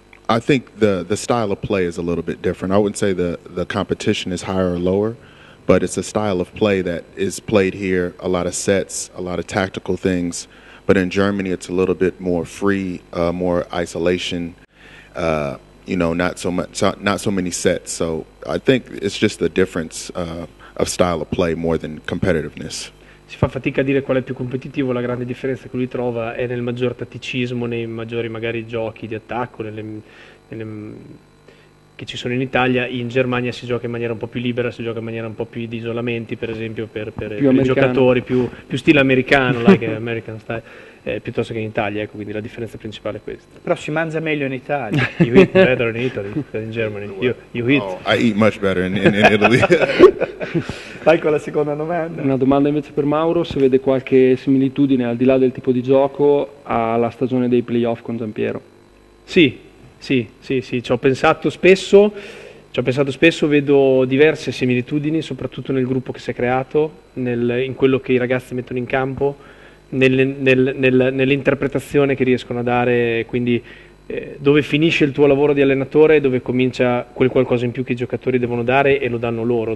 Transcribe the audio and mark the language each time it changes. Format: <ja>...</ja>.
<en>I think the style of play is a little bit different. I wouldn't say the competition is higher or lower, but it's a style of play that is played here, a lot of sets, a lot of tactical things. But in Germany, it's a little bit more free, more isolation. you know, not so many sets. So I think it's just the difference of style of play more than competitiveness.</en> <it>Si fa fatica a dire qual è più competitivo, la grande differenza che lui trova è nel maggior tatticismo, nei maggiori magari giochi di attacco, nelle che ci sono in Italia. In Germania si gioca in maniera un po' più libera, si gioca in maniera un po' più di isolamenti, per esempio per i giocatori, più stile americano,</it> <en>like American style,</en> <it>piuttosto che in Italia, ecco, quindi la differenza principale è questa. Però si mangia meglio in Italia.</it> <en>You eat better in Italy than in Germany. You eat. Oh, I eat much better in Italy.</en> <it>Vai con la seconda domanda. Una domanda invece per Mauro, se vede qualche similitudine, al di là del tipo di gioco, alla stagione dei playoff con Giampiero. Sì, ci ho pensato spesso, vedo diverse similitudini, soprattutto nel gruppo che si è creato, in quello che i ragazzi mettono in campo, nell'interpretazione che riescono a dare, quindi dove finisce il tuo lavoro di allenatore e dove comincia quel qualcosa in più che i giocatori devono dare, e lo danno loro.</it>